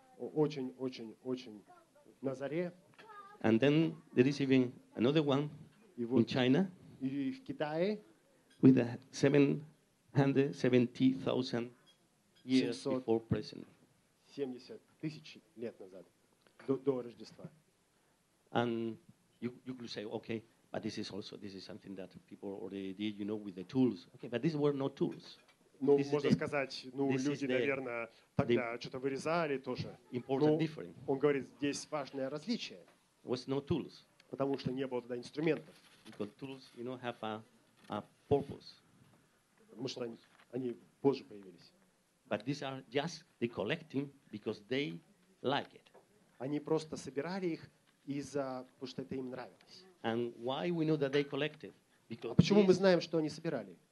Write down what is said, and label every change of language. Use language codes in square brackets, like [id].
[ru] Очень, очень, очень на заре. [en] And then there is even another one [ru] и вот [en] in China. [ru] И в Китае. [en] With 770,000 years [ru] 700, [en] before present. [ru] 70 тысяч лет назад, до Рождества. [en] And you could say, okay, but this is something that people already did, you know, with the tools. Okay, but these were not tools. [ru] Ну, можно сказать, ну, люди, наверное, тогда что-то вырезали тоже. [en] Important difference. [ru] Он говорит, здесь важное различие. [en] Was no tools. [ru] Потому что не было тогда инструментов. [en] Because tools, you know, have a purpose. [ru] Потому что они позже появились. [en] But these are just the collecting because they like it. [ru] Они просто собирали их из-за того, что это им нравилось. [en] And why we know that they collected? Because [ru] а почему мы знаем, что они собирали?